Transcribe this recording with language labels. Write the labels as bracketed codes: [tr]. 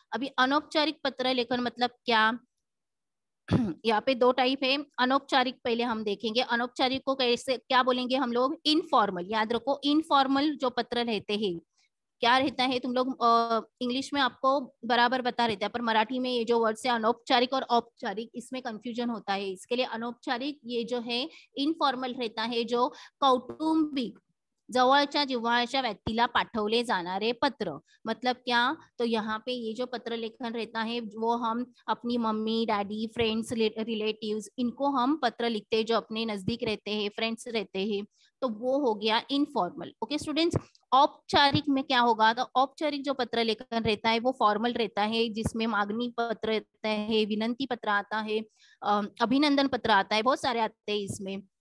[hi] अभी अनौपचारिक पत्र लेखन मतलब क्या, यहाँ पे दो टाइप है, अनौपचारिक पहले हम देखेंगे। अनौपचारिक को कैसे, क्या बोलेंगे हम लोग, इनफॉर्मल। याद रखो इनफॉर्मल जो पत्र रहते हैं क्या रहता है, तुम लोग इंग्लिश में आपको बराबर बता रहता है, पर मराठी में ये जो वर्ड है अनौपचारिक और औपचारिक, इसमें कंफ्यूजन होता है। इसके लिए अनौपचारिक ये जो है इनफॉर्मल रहता है, जो [mr] कौटुंबिक जवळच्या जिव्हाळ्याच्या व्यक्तीला पाठवले जाणारे पत्र। [hi] मतलब क्या, तो यहाँ पे ये जो पत्र लेखन रहता है वो हम अपनी मम्मी डैडी फ्रेंड्स रिलेटिव्स इनको हम पत्र लिखते हैं, जो अपने नजदीक रहते हैं, फ्रेंड्स रहते हैं, तो वो हो गया इनफॉर्मल। स्टूडेंट्स, औपचारिक में क्या होगा, तो औपचारिक जो पत्र लेखन रहता है वो फॉर्मल रहता है, जिसमें मांगनी पत्र रहता है, विनंती पत्र आता है, अभिनंदन पत्र आता है, बहुत सारे आते हैं इसमें।